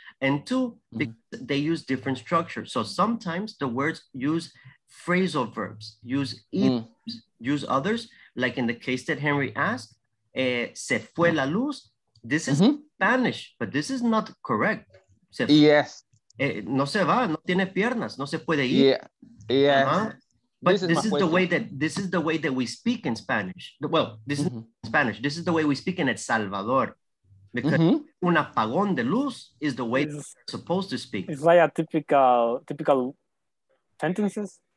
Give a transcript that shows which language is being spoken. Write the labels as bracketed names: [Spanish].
[English] And two, because they use different structures. So sometimes the words use phrasal verbs, use idioms, use others. Like in the case that Henry asked, [Spanish] se fue la luz. [English] This is Spanish, but this is not correct. [Spanish] No se va, no tiene piernas, no se puede ir. [English] But this is the way that we speak in Spanish. Well, this is Spanish. This is the way we speak in El Salvador. Because [Spanish] un apagón de luz [English] is the way it's supposed to speak. It's like a typical sentences.